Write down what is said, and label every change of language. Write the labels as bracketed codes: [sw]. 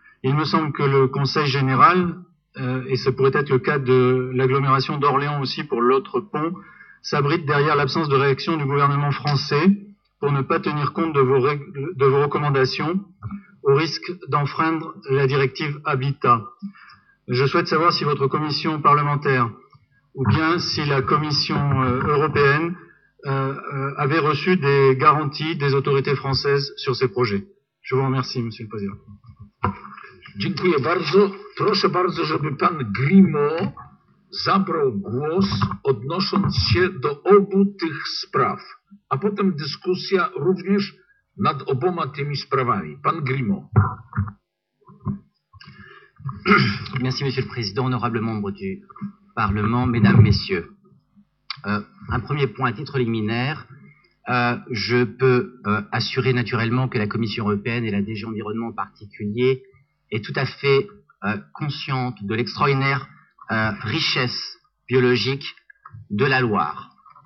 [fr] Il me semble que le Conseil général, et ce pourrait être le cas de l'agglomération d'Orléans aussi pour l'autre pont, s'abrite derrière l'absence de réaction du gouvernement français pour ne pas tenir compte de vos recommandations au risque d'enfreindre la directive Habitat. Je souhaite savoir si votre commission parlementaire ou bien si la commission européenne avait reçu des garanties des autorités françaises sur ces projets. Je vous remercie, Monsieur le Président. [pl] Dziękuję bardzo. Proszę bardzo, żeby pan Grimaud zabrał głos odnosząc się do obu tych spraw, a potem dyskusja również nad oboma tymi sprawami. Pan Grimaud. [fr] Merci Monsieur le Président, honorable membre du Parlement, Mesdames, Messieurs. Un premier point à titre liminaire, je peux assurer naturellement que la Commission européenne et la DG Environnement en particulier est tout à fait consciente de l'extraordinaire richesse biologique de la Loire.